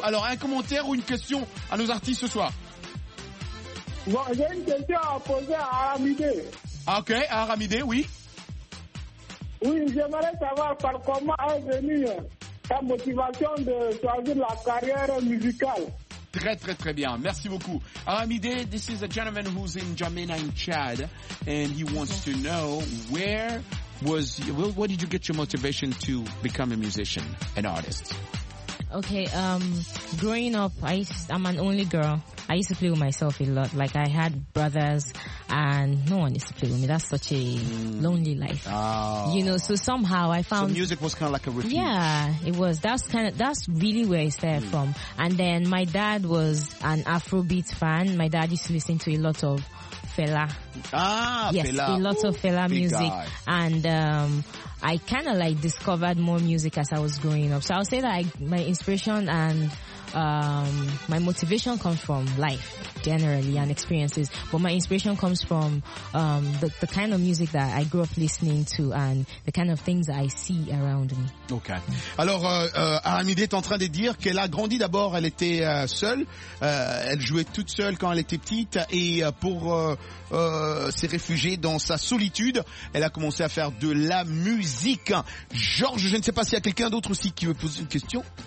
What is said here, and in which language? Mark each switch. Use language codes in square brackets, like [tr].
[fr] Alors, un commentaire ou une question à nos artistes ce soir? Bon, j'ai une question à poser à Aramidé. Ah, ok, à Aramidé, oui. Oui, j'aimerais savoir par comment est venue ta motivation de choisir la carrière musicale. Très, très, très bien. Merci beaucoup. [en] Aramide, this is a gentleman who's in Jamena in Chad, and he wants to know where was, where did you get your motivation to become a musician, an artist? Okay, growing up, I'm an only girl. I used to play with myself a lot. Like, I had brothers, and no one used to play with me. That's such a lonely life. Oh. You know, so somehow I found... So music was kind of like a refuge. Yeah, it was. That's really where I started from. And then my dad was an Afrobeat fan. My dad used to listen to a lot of Fela. Ah, yes, Fela. Yes, a lot of Fela music. Guy. And I kind of like discovered more music as I was growing up. So I'll say that my inspiration and my motivation comes from life generally and experiences, but my inspiration comes from the kind of music that I grew up listening to and the kind of things that I see around me. Okay. [fr] Alors Aramide est en train de dire qu'elle a grandi d'abord, elle était seule, elle jouait toute seule quand elle était petite et pour s'est réfugiée dans sa solitude, elle a commencé à faire de la musique. Georges, je ne sais pas s'il y a quelqu'un d'autre aussi qui veut poser une question.